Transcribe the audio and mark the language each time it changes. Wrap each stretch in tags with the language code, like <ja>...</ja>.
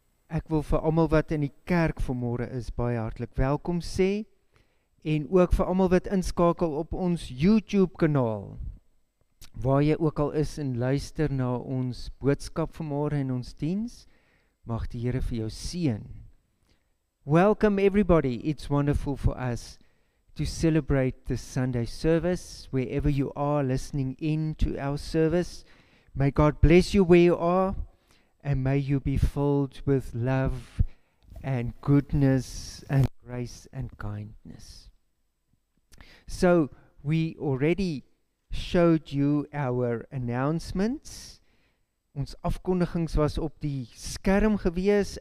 <af>Ek wil vir almal wat in die kerk vanmôre is baie hartlik welkom sê en ook vir almal wat inskakel op ons YouTube kanaal. Waar jy ook al is en luister na ons boodskap vanmôre en ons diens, mag die Here vir jou seën.</af> <en>Welcome everybody. It's wonderful for us to celebrate this Sunday service wherever you are listening in to our service. May God bless you where you are. And may you be filled with love and goodness and grace and kindness. So, we already showed you our announcements.</en> <af>Ons afkondigings was op die skerm gewees.</af>